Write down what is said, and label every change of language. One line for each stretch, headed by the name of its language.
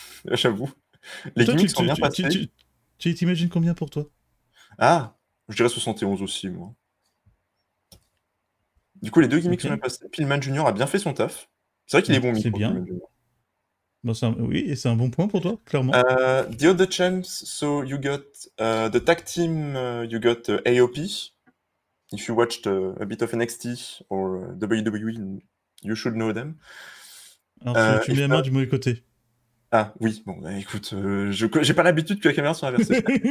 French: J'avoue. Les gimmicks sont bien passés. Tu t'imagines combien pour toi? Ah, je dirais 71 aussi, moi. Du coup, les deux gimmicks sont bien passés. Pillman Junior a bien fait son taf. C'est vrai qu'il est bon. C'est bien. Bon, et c'est un bon point pour toi, clairement.
English: The other champs, so you got the tag team, you got AOP. If you watched a bit of NXT or WWE, you should know them.
French: Alors, tu mets la main du mauvais côté. Ah oui, bon, bah, écoute, j'ai pas l'habitude que la caméra soit inversée.